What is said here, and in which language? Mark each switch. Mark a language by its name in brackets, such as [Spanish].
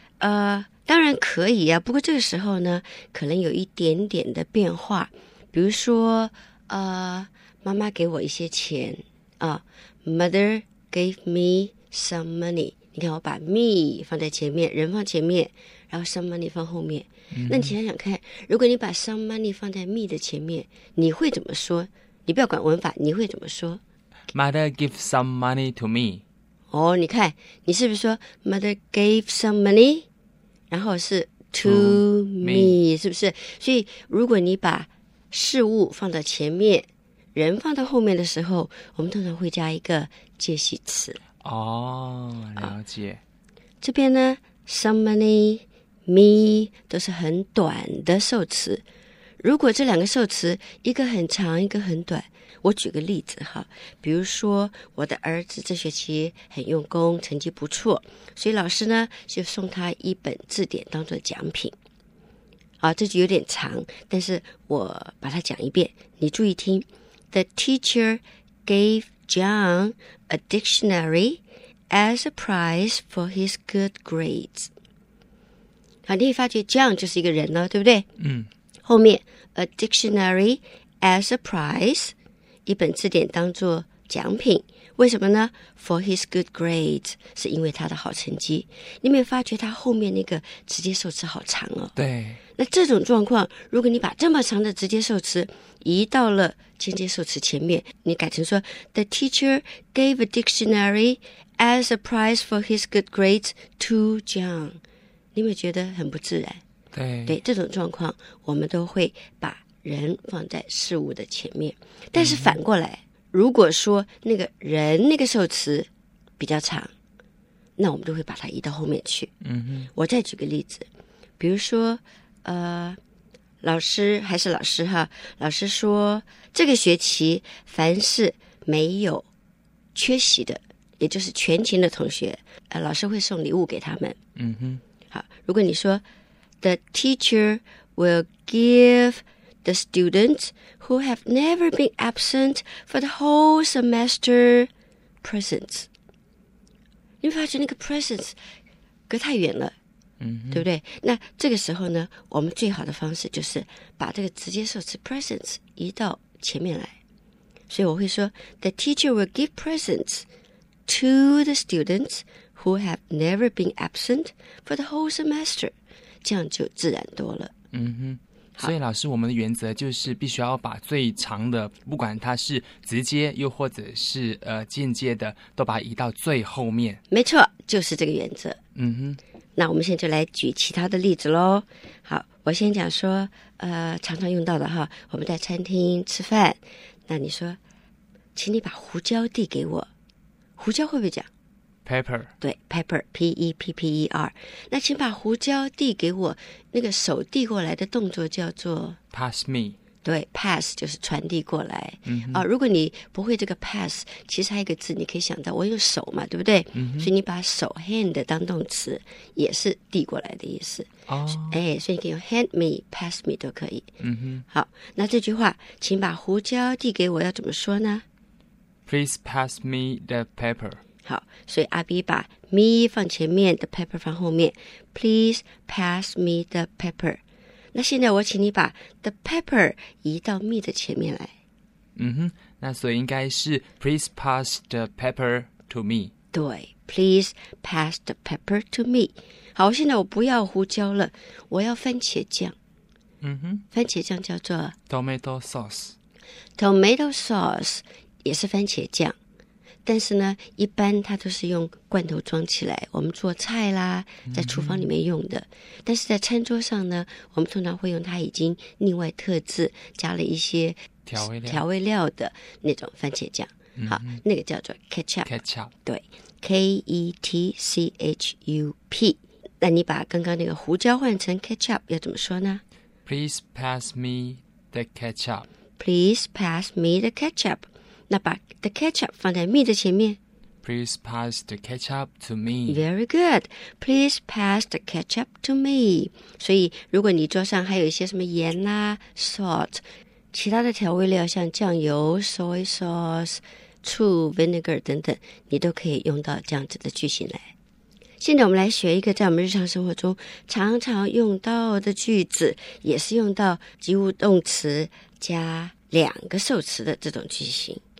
[Chinese] 当然可以啊，不过这个时候呢可能有一点点的变化，比如说妈妈给我一些钱啊， [English] Mother gave me some money。 [Chinese] 你看我把 me 放在前面，人放前面，然后 [English] some money [Chinese] 放后面、嗯、那你想想看，如果你把 [English] some money [Chinese] 放在 me 的前面，你会怎么说？你不要管文法，你会怎么说？ [English] Mother gave some money to me。 [Chinese] 哦，你看你是不是说 [English] Mother gave some money [Chinese] 然后是 [English] to me [Chinese] 是不是？所以如果你把事物放到前面，人放到后面的时候，我们通常会加一个介系词。哦，了解、这边呢 [English] some money [Chinese] me 都是很短的受词，如果这两个受词一个很长一个很短，我举个例子哈，比如说我的儿子这学期很用功，成绩不错，所以老师呢就送他一本字典当作奖品。好、这句有点长，但是我把它讲一遍，你注意听。 [English] The teacher gave John a dictionary as a prize for his good grades。 [Chinese] 好，你会发觉 John 就是一个人了对不对？嗯，后面 [English] a dictionary as a prize， [Chinese] 一本字典当作奖品，为什么呢？ [English] For his good grades， [Chinese] 是因为他的好成绩。你没有发觉他后面那个直接受词好长哦？对。那这种状况，如果你把这么长的直接受词移到了间接受词前面，你改成说 [English] The teacher gave a dictionary as a prize for his good grades to John， [Chinese] 你有没有觉得很不自然？对，这种状况我们都会把人放在事物的前面。但是反过来、嗯、如果说那个人那个受词比较长，那我们都会把它移到后面去。嗯哼，我再举个例子，比如说老师还是老师哈，老师说这个学期凡是没有缺席的也就是全勤的同学老师会送礼物给他们。嗯哼，好，如果你说 [English] The teacher will give the students who have never been absent for the whole semester presents. [Chinese] 你发觉那个 presents 隔太远了、嗯、对不对？那这个时候呢我们最好的方式就是把这个直接受词 presents 移到前面来。所以我会说 [English] The teacher will give presents to the students who have never been absent for the whole semester. [Chinese] 这样就自然多了。嗯哼。所以老师，我们的原则就是必须要把最长的，不管它是直接又或者是间接的，都把它移到最后面。没错，就是这个原则。嗯哼。那我们现在就来举其他的例子咯。好，我先讲说常常用到的哈，我们在餐厅吃饭，那你说请你把胡椒递给我，胡椒会不会讲 [English] Pepper？ [Chinese] 对， Pepper， P-E-P-P-E-R。那请把胡椒递给我，那个手递过来的动作叫做 [English] Pass me。 [Chinese] 对， Pass 就是传递过来。嗯，如果你不会这个 Pass， 其实还有一个字你可以想到，我用手嘛，对不对？嗯，所以你把手 Hand 当动词也是递过来的意思。哦，哎，所以你可以用 [English] Hand me， Pass me [Chinese] 都可以。嗯哼。好，那这句话请把胡椒递给我要怎么说呢？ [English] Please pass me the pepper. [Chinese] 好，所以阿比把 me 放前面 ， [English] the pepper [Chinese] 放后面。 [English] Please pass me the pepper. [Chinese] 那现在我请你把 [English] the pepper [Chinese] 移到 me 的前面来。嗯哼，那所以应该是 [English] please pass the pepper to me. [Chinese] 对 [English] ，please pass the pepper to me. [Chinese] 好，现在我不要胡椒了，我要番茄酱。嗯哼，番茄酱叫做 [English] tomato sauce. Tomato sauce. [Chinese] 也是番茄酱，但是呢一般它都是用罐头装起来，我们做菜啦在厨房里面用的。但是在餐桌上呢，我们通常会用它已经另外特制加了一些调味料的那种番茄酱。好，那个叫做 ketchup， 对， K-E-T-C-H-U-P。那你把刚刚那个胡椒换成 ketchup 要怎么说呢？ [English] Please pass me the ketchup. Please pass me the ketchup。 [Chinese] 那把 [English] the ketchup [Chinese] 放在 me 的前面。 [English] Please pass the ketchup to me. Very good. Please pass the ketchup to me. [Chinese] 所以如果你桌上还有一些什么盐啦、salt， 其他的调味料像酱油、 [English] soy sauce、 [Chinese] 醋、vinegar 等等，你都可以用到这样子的句型来。现在我们来学一个在我们日常生活中常常用到的句子，也是用到及物动词加两个受词的这种句型。